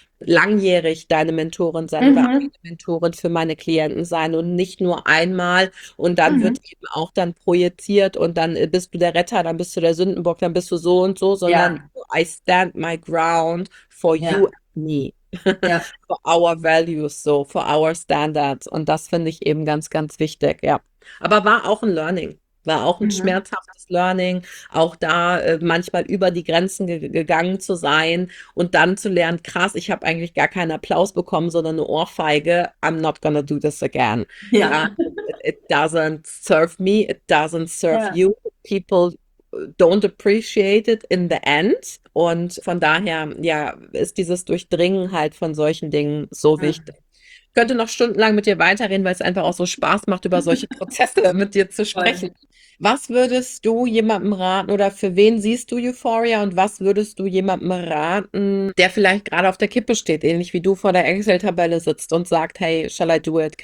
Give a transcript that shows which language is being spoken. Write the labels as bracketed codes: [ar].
[de] langjährig deine Mentorin sein oder eine Mentorin für meine Klienten sein und nicht nur einmal und dann wird eben auch dann projiziert und dann bist du der Retter, dann bist du der Sündenbock, dann bist du so und so, sondern [en] I stand my ground for you and me, for our values, so for our standards [de] und das finde ich eben ganz, ganz wichtig, ja. Aber war auch ein Learning. War auch ein schmerzhaftes Learning, auch da manchmal über die Grenzen gegangen zu sein und dann zu lernen, krass, ich habe eigentlich gar keinen Applaus bekommen, sondern eine Ohrfeige, [en] I'm not gonna do this again. Ja, it doesn't serve me, it doesn't serve you. People don't appreciate it in the end. [de] Und von daher, ja, ist dieses Durchdringen halt von solchen Dingen so wichtig. Ich könnte noch stundenlang mit dir weiterreden, weil es einfach auch so Spaß macht, über solche Prozesse mit dir zu sprechen. Was würdest du jemandem raten oder für wen siehst du Euphoria und was würdest du jemandem raten, der vielleicht gerade auf der Kippe steht, ähnlich wie du vor der Excel-Tabelle sitzt und sagt, hey, [en] shall I do it?